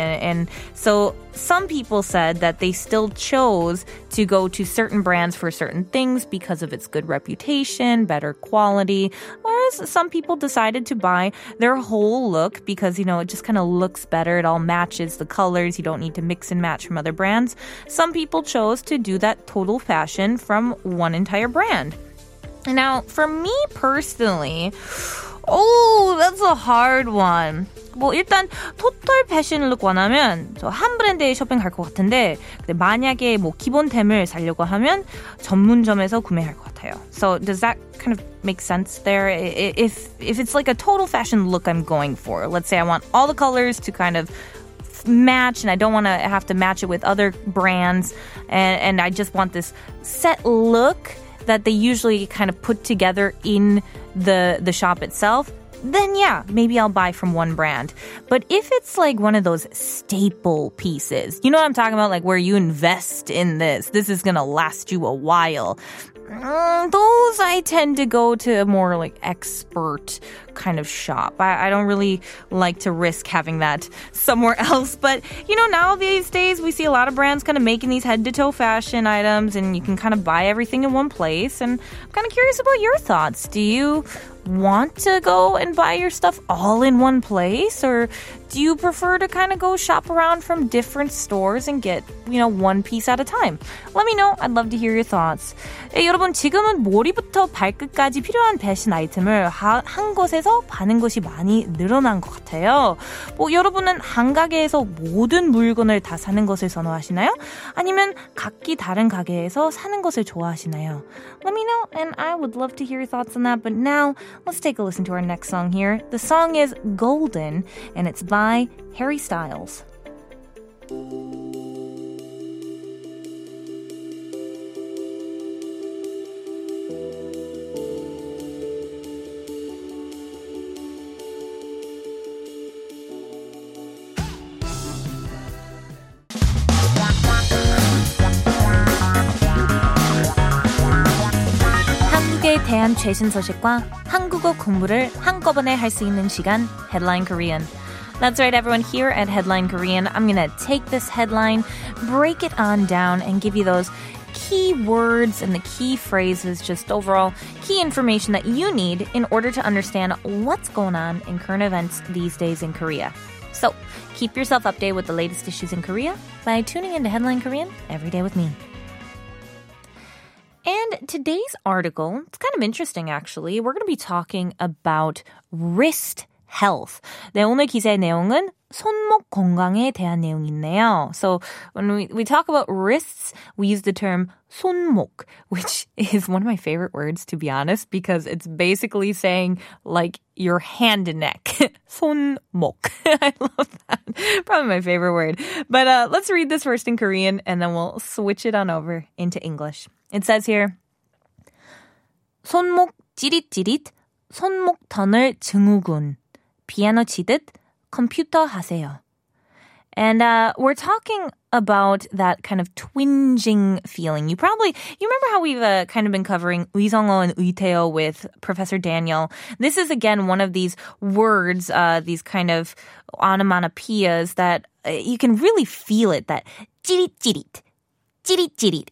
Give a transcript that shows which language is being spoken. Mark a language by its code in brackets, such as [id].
[en] And so some people said that they still chose to go to certain brands for certain things because of its good reputation, better quality, whereas some people decided to buy their whole look because, you know, it just kind of looks better. It all matches the colors. You don't need to mix and match from other brands. Some people chose to do that total fashion from one entire brand. Now, for me personally, oh, that's a hard one. [ko] 뭐 일단 토털 패션을 look 원하면 저 한 브랜드에 쇼핑할 것 같은데 근데 만약에 뭐 기본템을 사려고 하면 전문점에서 구매할 것 같아요. [en] So does that kind of make sense there? If it's like a total fashion look I'm going for, let's say I want all the colors to kind of match and I don't want to have to match it with other brands and I just want this set look that they usually kind of put together in the shop itself, then yeah, maybe I'll buy from one brand. But if it's like one of those staple pieces, you know what I'm talking about? Like where you invest in this, this is gonna last you a while. Those I tend to go to a more like expert kind of shop. I don't really like to risk having that somewhere else. But, you know, now these days we see a lot of brands kind of making these head-to-toe fashion items and you can kind of buy everything in one place. And I'm kind of curious about your thoughts. Do you want to go and buy your stuff all in one place? Or do you prefer to kind of go shop around from different stores and get, you know, one piece at a time? Let me know. I'd love to hear your thoughts. [ko] 네, 여러분, 지금은 머리부터 발끝까지 필요한 패션 아이템을 한 곳에서 파는 곳이 많이 늘어난 것 같아요. 뭐, 여러분은 한 가게에서 모든 물건을 다 사는 것을 선호하시나요? 아니면 각기 다른 가게에서 사는 것을 좋아하시나요? [en] Let me know, and I would love to hear your thoughts on that. But now, let's take a listen to our next song here. The song is Golden, and it's by Harry Styles. [ko] Korean 최신 소식과 한국어 공부를 한꺼번에 할 수 있는 시간, Headline Korean. [en] That's right, everyone, here at Headline Korean, I'm going to take this headline, break it on down, and give you those key words and the key phrases, just overall key information that you need in order to understand what's going on in current events these days in Korea. So, keep yourself updated with the latest issues in Korea by tuning into Headline Korean every day with me. And today's article, it's kind of interesting, actually. We're going to be talking about wrist health. [ko] 네, 오늘 기사의 내용은 손목 건강에 대한 내용인데요. [en] So when we talk about wrists, we use the term 손목, which is one of my favorite words, to be honest, because it's basically saying, like, your hand and neck. 손목. I love that. Probably my favorite word. But let's read this first in Korean, and then we'll switch it on over into English. It says here, [ko] 손목 찌릿찌릿, 손목 터널 증후군, 피아노 치듯 컴퓨터 하세요. [en] And we're talking about that kind of twinging feeling. You remember how we've kind of been covering 위성어 and 위태어 with Professor Daniel. This is, again, one of these words, these kind of onomatopoeias that you can really feel it, that 찌릿찌릿. Chirit-chirit.